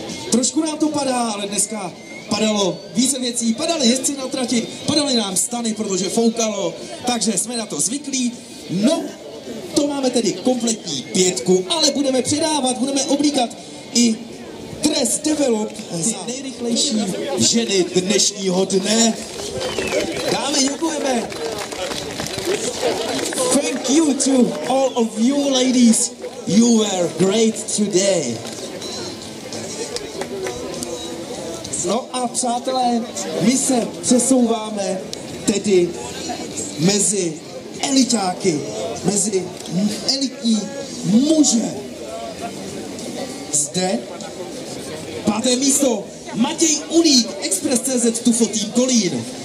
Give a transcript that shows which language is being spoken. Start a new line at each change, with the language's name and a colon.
Czech: Trošku nám to padá, ale dneska padalo více věcí, padaly jezdci na trati, padaly nám stany, protože foukalo, takže jsme na to zvyklí. No, to máme tedy kompletní pětku, ale budeme předávat, budeme oblíkat i dress develop za nejrychlejší ženy dnešního dne. Dámy, děkujeme.
English: Thank you to all of you ladies, you were great today.
Czech: No a přátelé, my se přesouváme tedy mezi eliťáky, mezi elitní muže. Zde páté místo, Matěj Ulík, Express.cz, Tufo Team Kolín.